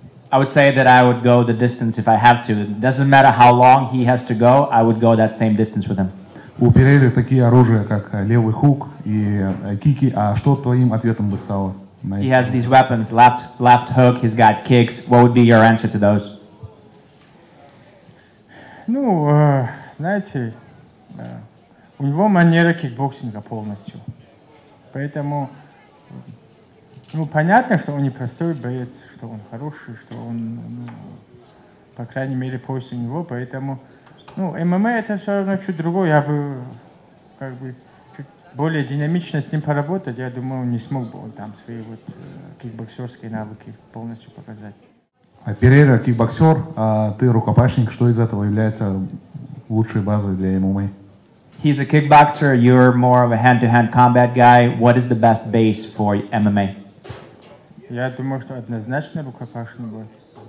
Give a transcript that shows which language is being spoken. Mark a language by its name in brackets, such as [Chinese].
[English] I would say that I would go the distance if I have to. It doesn't matter how long he has to go, I would go that same distance with him. [Russian] У Перейры такие оружия, как левый хук и кики. А что твоим ответом бы стало? [English] He has these weapons, left hook, he's got kicks. What would be your answer to those? [Russian] Ну, знаете, у него манера кикбоксинга полностью. Поэтому... Ну, понятно, что он непростой боец, что он хороший, что он, ну, по крайней мере, пояс у него, поэтому, ну, ММА это все равно чуть другое, я бы, как бы, чуть более динамично с ним поработать, я думаю, не смог бы он там свои вот кикбоксерские навыки полностью показать. Перейра кикбоксер, а ты рукопашник, что из этого является лучшей базой для ММА? [English] He's a kickboxer, you're more of a hand-to-hand combat guy, what is the best base for MMA? [Russian] Я думаю, что однозначно рукопашный бой.